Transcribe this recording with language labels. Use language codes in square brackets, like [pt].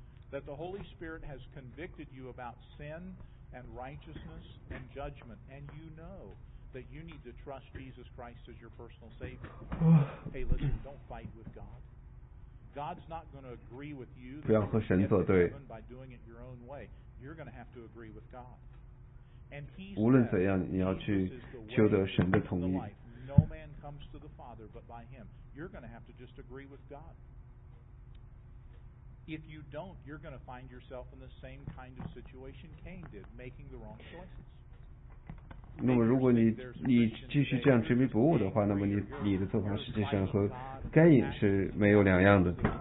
[en] That the Holy Spirit has convicted you about sin and righteousness and judgment, and you know that you need to trust Jesus Christ as your personal Savior. Hey, listen, don't fight with God. God's not going to agree with you. [zh] 不要和神作对。 [en] By doing it your own way, you're going to have to agree with God. And he said, [zh] 无论怎样，你要去求得神的同意。 [en] No man comes to the Father but by Him. You're going to have to just agree with God. If you don't, you're going to find yourself in the same kind of situation Cain did, making the wrong choices. [zh] 那么如果你继续这样执迷不悟的话，那么你的做法实际上和该隐是没有两样的。